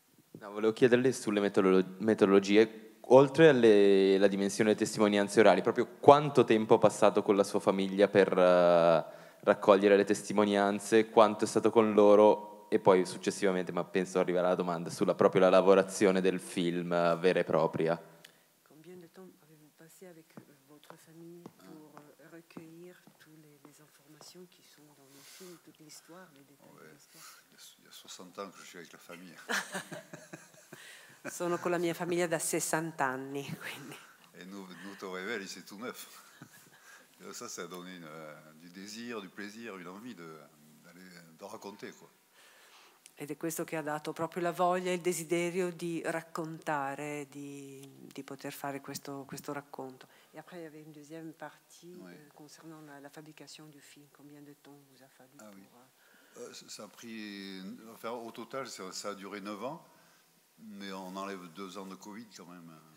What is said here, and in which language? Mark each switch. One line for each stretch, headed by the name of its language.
Italian: No, volevo chiederle sulle metodologie, oltre alla dimensione delle testimonianze orali, proprio quanto tempo ha passato con la sua famiglia per raccogliere le testimonianze, quanto è stato con loro, e poi successivamente, ma penso arriverà la domanda, sulla proprio la lavorazione del film vera e propria.
French: Combien de temps avez-vous passé avec votre famille pour recueillir toutes les informations qui sont dans le film, toute l'histoire, les détails de l'histoire? Il y a 60 ans que je suis avec la famille.
Italian: Sono con la mia famiglia da 60 anni, quindi.
French: E Nuto Revelli, c'est tout neuf. Et ça, ça a donné du désir, du plaisir, une envie de raconter, quoi.
Italian: Ed è questo che ha dato proprio la voglia e il desiderio di raccontare, di poter fare questo racconto. E poi
French: il y avait une deuxième partie, oui, concernant la fabrication du film. Combien de temps vous a fallu pour... Oui. Ça a pris, enfin, au total, ça a duré 9 ans, mais on enlève 2 ans de Covid quand même.